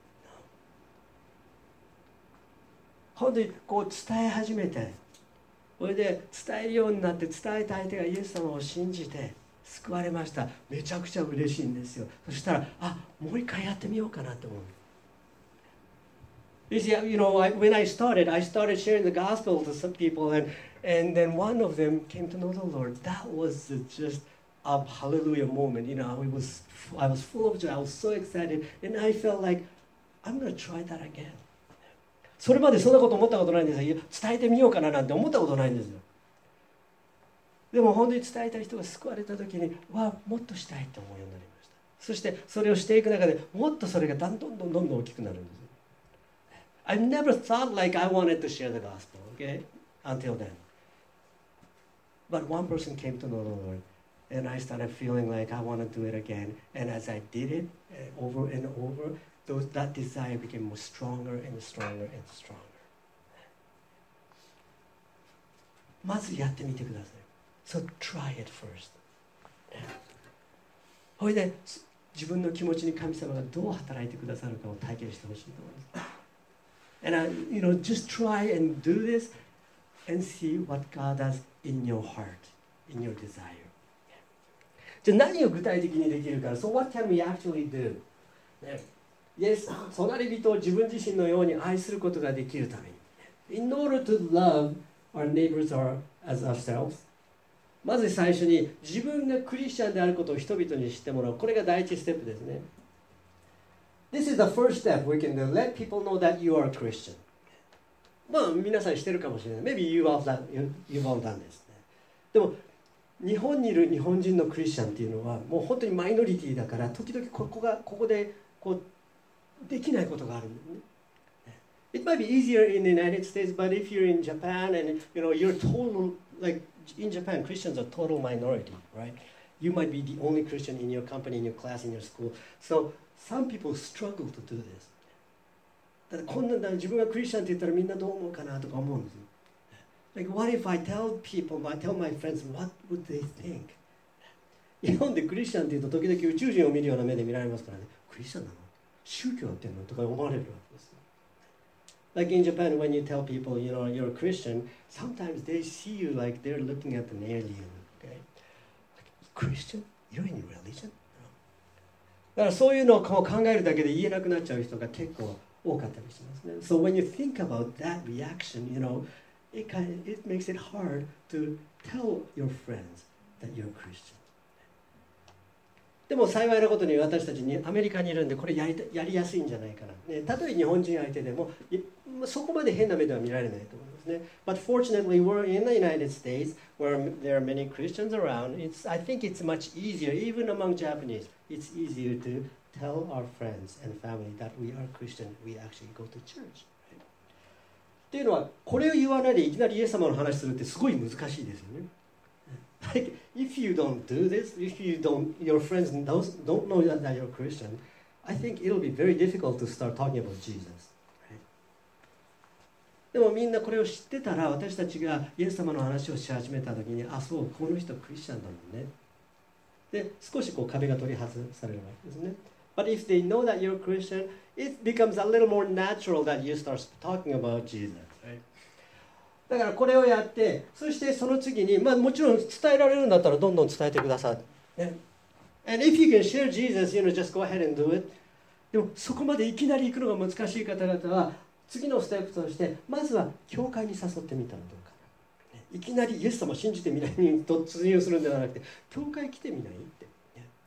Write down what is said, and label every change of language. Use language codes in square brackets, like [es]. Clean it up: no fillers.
[en] No. [ja] 本当にこう伝え始めて、それで伝えるようになって、伝えた相手がイエス様を信じて救われました。めちゃくちゃ嬉しいんですよ。そしたら、あ、もう一回やってみようかなと思う。 [en] You see, you know, when I started sharing the gospel to some people, and then one of them came to know the Lord. That was just a hallelujah moment. You know, I was full of joy. I was so excited, and I felt like I'm gonna try that again. [ja] それまでそんなこと思ったことないんですよ。伝えてみようかななんて思ったことないんですよ。でも本当に伝えた人が救われた時に、わあ、もっとしたいと思うようになりました。そしてそれをしていく中で、もっとそれがどんどん大きくなるんです。 [en] I never thought like I wanted to share the gospel, okay? Until then. But one person came to know the Lord, and I started feeling like I want to do it again. And as I did it over and over, that desire became more stronger and stronger and stronger. [ja] まずやってみてください。 [en] So try it first. [ja] ほいで、自分の気持ちに神様がどう働いてくださるかを体験してほしいと思います。 [en] And I, you know, just try and do this and see what God does in your heart, in your desire. [ja] じゃあ何を具体的にできるか。 [en] So what can we actually do? [ja] Yes, 隣人を自分自身のように愛することができるために。 [en] In order to love our neighbors as ourselves, [ja] まず最初に自分がクリスチャンであることを人々に知ってもらう。これが第一ステップですね。 [en] This is the first step we can do. Let people know that you are a Christian. [ja] まあ皆さん知ってるかもしれない。 [en] Maybe you've all done this. [ja] でも日本にいる日本人のクリスチャンっていうのはもう本当にマイノリティだから、時々ここでこうできないことがあるんだよね。 [en] It might be easier in the United States, but if you're in Japan and you know you're total like in Japan, Christians are total minority, right? You might be the only Christian in your company, in your class, in your school. So,Some people struggle to do this. [ja] だからこんなんだ、自分がクリスチャンって言ったらみんなどう思うかなとか思うんですよ。 [en] Like, what if I tell people, I tell my friends, what would they think? [ja] 日本でクリスチャンって言うと時々宇宙人を見るような目で見られますからね。クリスチャンなの? 宗教やってんの?とか思われるわけです。 [en] Like in Japan, when you tell people, you know, you're a Christian, sometimes they see you like they're looking at an alien, okay? Like, Christian? You're in religion? [ja] だからそういうのをこう考えるだけで言えなくなっちゃう人が結構多かったりしますね。 [en] So when you think about that reaction, you know, it makes it hard to tell your friends that you're a Christian. [ja] でも幸いなことに私たちにアメリカにいるんでこれやりやすいんじゃないかな。ね、たとえ日本人相手でもそこまで変な目では見られないと思いますね。 [en] But fortunately, we're in the United States where there are many Christians around. I think it's much easier, even among Japanese, it's easier to tell our friends and family that we are Christian. We actually go to church. Right? [ja] っていうのはこれを言わないでいきなりイエス様の話するってすごい難しいですよね。 [en] Like, if you don't do this, if you don't, your friends don't know that you're a Christian, I think it'll be very difficult to start talking about Jesus. [ja] Right? でもみんなこれを知ってたら、私たちがイエス様の話をし始めた時に、あ、そう、この人クリスチャンだもんね。で、少しこう壁が取り外されるわけですね。 [en] But if they know that you're a Christian, it becomes a little more natural that you start talking about Jesus. [ja] だからこれをやって、そしてその次に、まあ、もちろん伝えられるんだったらどんどん伝えてください。 [en] ね、and if you can share Jesus, you know, just go ahead and do it. [ja] でもそこまでいきなり行くのが難しい方々は、次のステップとして、まずは教会に誘ってみたらどうかな、ね。いきなりイエス様信じてみないに突入するんではなくて、教会来てみないって、ね。